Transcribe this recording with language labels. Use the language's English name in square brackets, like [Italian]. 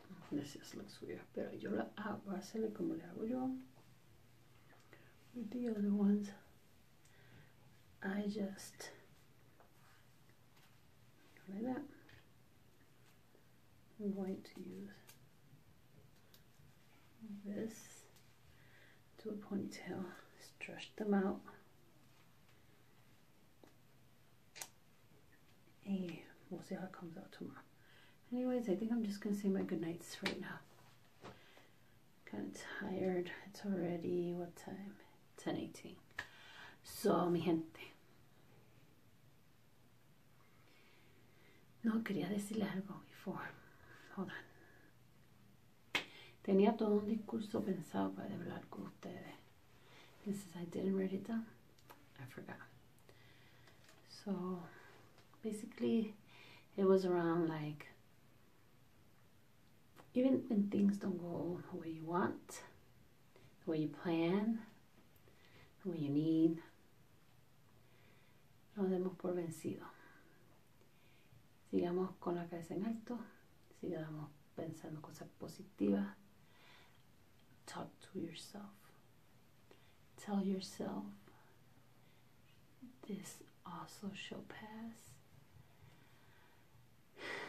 [Spanish] Gracias, la suya. Pero yo la hago, voy a hacerle como le hago yo. [English] With the other ones, I just like that. I'm going to use this to a ponytail, stretch them out, and we'll see how it comes out tomorrow. Anyways, I think I'm just gonna say my goodnights right now. Kind of tired. It's already, what time? 10:18. [Spanish] So, mi gente. No, quería decirle algo [English] before. Hold on. [Spanish] Tenía todo un discurso pensado para hablar con ustedes. [English] And since I didn't write it down, I forgot. So, basically, it was around like, even when things don't go the way you want, the way you plan, the way you need, [Spanish] no demos por vencido. Sigamos con la cabeza en alto, sigamos pensando cosas positivas. [English] Talk to yourself. Tell yourself, this also shall pass.